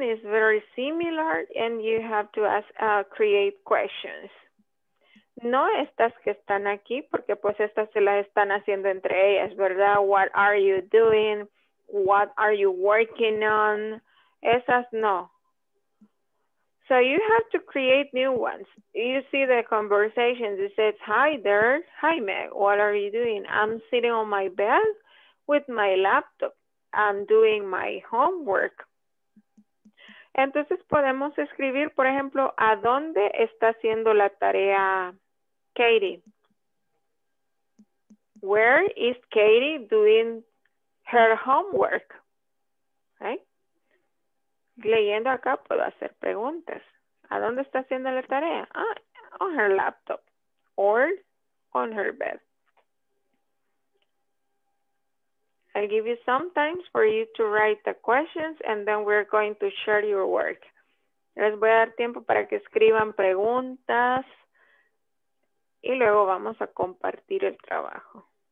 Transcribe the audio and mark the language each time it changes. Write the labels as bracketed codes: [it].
[en] It's very similar, and you have to ask, create questions. [es] No estas que están aquí, porque pues estas se las están haciendo entre ellas, ¿verdad? [en] What are you doing? What are you working on? [es] Esas no. [en] So you have to create new ones. You see the conversations. It says, hi there. Hi, Meg. What are you doing? I'm sitting on my bed with my laptop, I'm doing my homework. [es] Entonces podemos escribir, por ejemplo, ¿a dónde está haciendo la tarea Katie? [en] Where is Katie doing her homework? Right? [es] Leyendo acá puedo hacer preguntas. ¿A dónde está haciendo la tarea? [en] Ah, on her laptop. Or on her bed. I'll give you some time for you to write the questions and then we're going to share your work. [es] Les voy a dar tiempo para que escriban preguntas y luego vamos a compartir el trabajo.